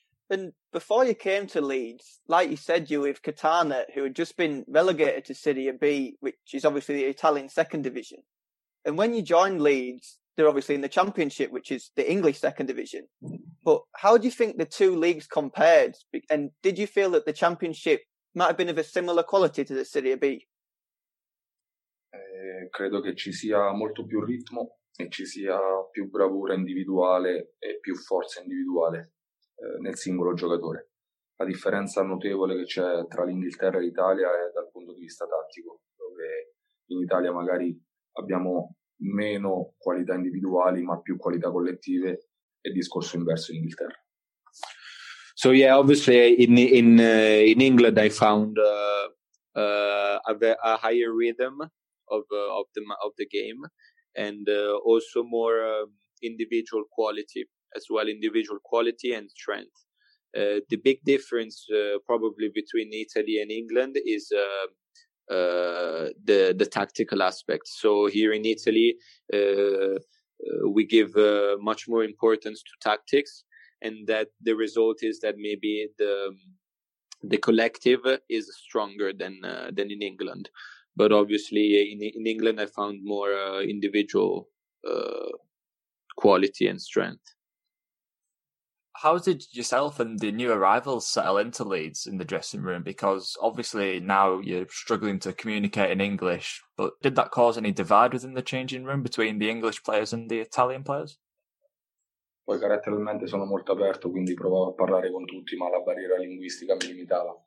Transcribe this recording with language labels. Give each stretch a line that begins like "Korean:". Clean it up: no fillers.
English: And before you came to Leeds, like you said, you with Catania, who had just been relegated to Serie B, which is obviously the Italian second division, and when you joined Leeds, they're obviously in the Championship, which is the English second division. But how do you think the two leagues compared? And did you feel that the Championship might have been of a similar quality to the Serie B?
Italian: Credo che ci sia molto più ritmo e ci sia più bravura individuale e più forza individuale nel singolo giocatore. La differenza notevole che c'è tra l'Inghilterra e l'Italia è dal punto di vista tattico, dove in Italia magari abbiamo meno qualità individuali ma più qualità collettive e discorso inverso in Inghilterra.
English: So yeah, obviously in England I found a higher rhythm of the game and also more individual quality as well, individual quality and strength. The big difference probably between Italy and England is the tactical aspect. So here in Italy, we give much more importance to tactics, and that the result is that maybe the collective is stronger than in England. But obviously, in England, I found more individual quality and strength. How did yourself and the new arrivals settle into Leeds in the dressing room? Because obviously now you're struggling to communicate in English, but did that cause any divide within the changing room between the English players and the Italian players?
Italian: Poi caratterialmente sono molto aperto, quindi provavo a parlare con tutti, ma la barriera linguistica mi limitava.